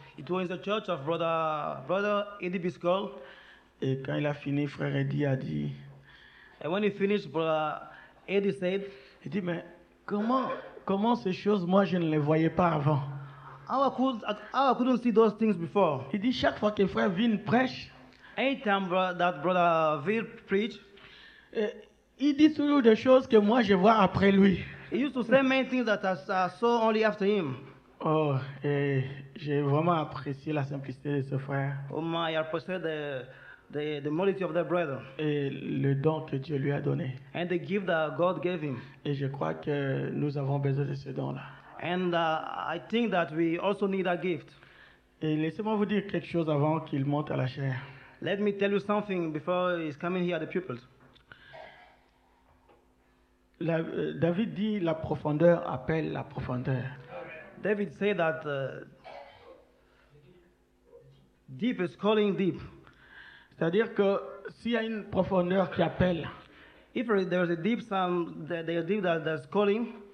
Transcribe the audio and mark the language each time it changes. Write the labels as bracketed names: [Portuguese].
[English] It was in the church of Brother Eddie Biscal. [French] Et quand il a fini, Frère Eddie a dit. [English] And when he finished, Brother Eddie said. [French] Il dit mais comment ces choses moi je ne les voyais pas avant. [English] How I couldn't see those things before. [French] Il dit chaque fois que Frère Vin prêche. [English] Anytime that Brother Vin preach. [French] Il dit toujours des choses que moi je vois après lui. [English] He used to say many things that I saw only after him. [French] Oh, et j'ai vraiment apprécié la simplicité de ce frère. [English] Oh my, I appreciate the modesty of the brother. [French] Et le don que Dieu lui a donné. [English] And the gift that God gave him. [French] Et je crois que nous avons besoin de ce don-là. [English] And I think that we also need a gift. [French] Et laissez-moi vous dire quelque chose avant qu'il monte à la chair. [English] Let me tell you something before he's coming here at the pupils. [French] David dit la profondeur appelle la profondeur. [English] David said that deep is calling deep. [French] C'est-à-dire que s'il y a une profondeur qui appelle, [English] if there is a deep sound, there is deep that's calling,